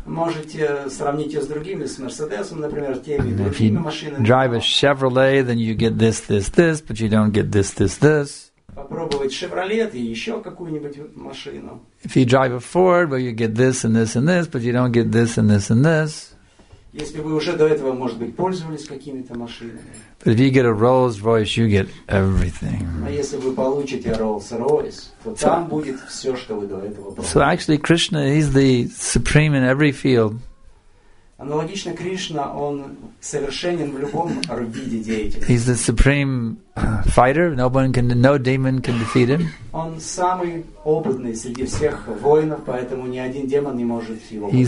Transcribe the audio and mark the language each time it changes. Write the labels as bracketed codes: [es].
[en] And if you drive a Chevrolet, then you get this, this, this, but you don't get this, this, this. If you drive a Ford, well, you get this and this and this, but you don't get this and this and this. [ru] Если вы уже до этого, может быть, пользовались какими-то машинами. [en] But if you get a Rolls-Royce, you get everything. [ru] А если вы получите Rolls-Royce, то там будет все, что вы до этого получили. [en] So actually, Krishna is the supreme in every field. [ru] Аналогично, Кришна, он совершенен в любом виде деятельности. [en] He's the supreme fighter. No demon can defeat him. [ru] Он самый опытный среди всех воинов, поэтому ни один демон не может его победить.